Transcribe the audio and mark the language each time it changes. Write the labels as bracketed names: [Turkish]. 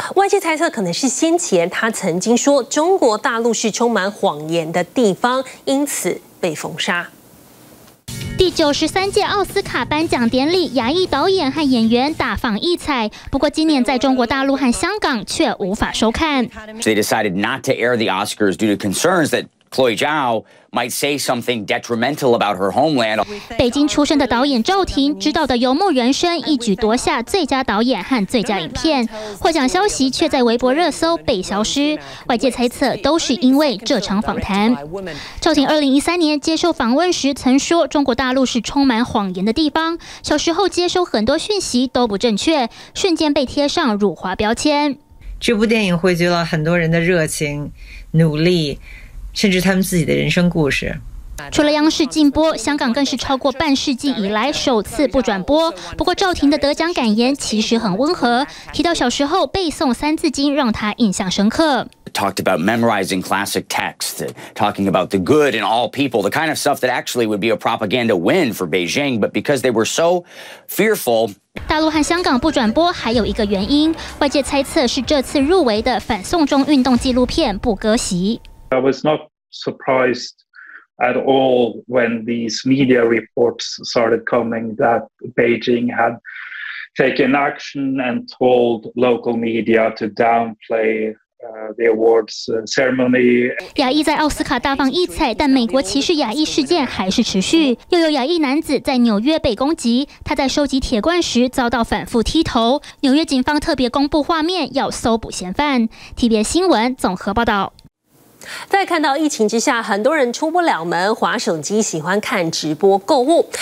[Chinese] 外界猜测可能是先前他曾经说中国大陆是充满谎言的地方，因此被封杀。第93届奥斯卡颁奖典礼，亚裔导演和演员大放异彩。不过，今年在中国大陆和香港却无法收看。 [English] They decided not to air the Oscars due to concerns that Chloe Zhao might say something detrimental about her homeland. [Chinese] 北京出生的导演赵婷执导的《游牧人生》一举夺下最佳导演和最佳影片，获奖消息却在微博热搜被消失。外界猜测都是因为这场访谈。赵婷2013年接受访问时曾说：“中国大陆是充满谎言的地方，小时候接收很多讯息都不正确，瞬间被贴上辱华标签。” 这部电影汇聚了很多人的热情、努力，甚至他们自己的人生故事。除了央视禁播，香港更是超过半世纪以来首次不转播。不过赵婷的得奖感言其实很温和，提到小时候背诵三字经让他印象深刻。 [English] Talked about memorizing classic texts, talking about the good in all people, the kind of stuff that actually would be a propaganda win for Beijing, but because they were so fearful. [Chinese] 大陆和香港不转播还有一个原因，外界猜测是这次入围的反送中运动纪录片《不割席》。 [English] I was not surprised at all when these media reports started coming that Beijing had taken action and told local media to downplay the awards ceremony. [Chinese] 亚裔在奥斯卡大放异彩，但美国歧视亚裔事件还是持续。又有亚裔男子在纽约被攻击，他在收集铁罐时遭到反复踢头。纽约警方特别公布画面，要搜捕嫌犯。 TVBS 新闻综合报道。再看到疫情之下，很多人出不了门，滑手机喜欢看直播购物。